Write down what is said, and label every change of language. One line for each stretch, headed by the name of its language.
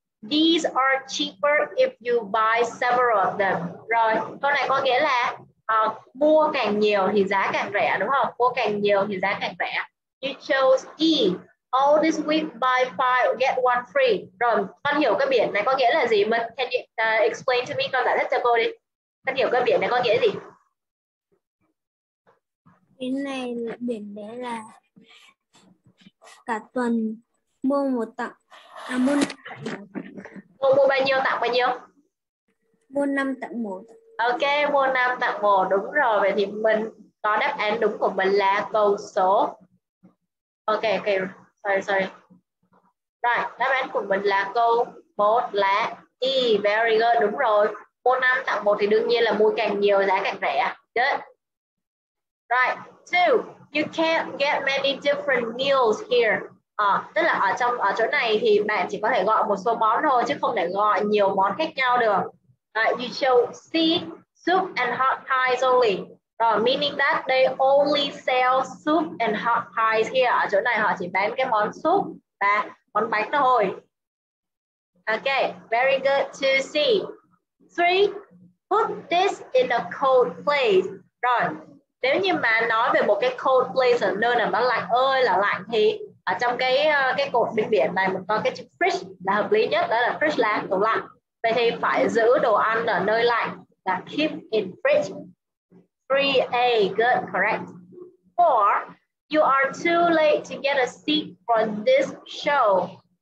English: These are cheaper if you buy several of them.
Vietnamese: Rồi, câu này có nghĩa là mua càng nhiều thì giá càng rẻ, đúng không? Mua càng nhiều thì giá càng rẻ.
English: You chose E. All this week buy 5 get 1 free.
Vietnamese: Rồi, con hiểu cái biển này có nghĩa là gì? Mình
English: can you explain to me,
Vietnamese: con giải thích cho cô đi. Con hiểu cái biển này có nghĩa gì? Biển này là biển bé là cả tuần mua một tặng à mua bao nhiêu tặng bao nhiêu? Mua 5 tặng 1. Ok, mua 5 tặng 1, đúng rồi. Vậy thì mình có đáp án đúng của mình là câu số.
English: Ok, ok. Sorry.
Vietnamese: Right, đáp án của mình là câu 1 là E.
English: Very good,
Vietnamese: đúng rồi. Mua 5 tặng 1 thì đương nhiên là mua càng nhiều giá càng rẻ. Good. Right, 2.
English: You can't get many different meals here.
Vietnamese: Tức là ở chỗ này thì bạn chỉ có thể gọi một số món thôi chứ không thể gọi nhiều món khác nhau được.
English: Right, you chose C, soup and hot pies only. Meaning that they only sell soup and hot pies here.
Vietnamese: Ở chỗ này họ chỉ bán cái món soup và món bánh thôi.
English: Okay, very good to see. 3. Put this in a cold place.
Vietnamese: Rồi, nếu như mà nói về một cái cold place ở nơi nào nó lạnh ơi là lạnh thì ở trong cái cột bên biển này mình có cái chữ fridge là hợp lý nhất, đó là fridge là tủ lạnh. Vậy thì phải giữ đồ ăn ở nơi lạnh là
English: keep in fridge. 3A, good, correct. 4, you are too late to get a seat for this show.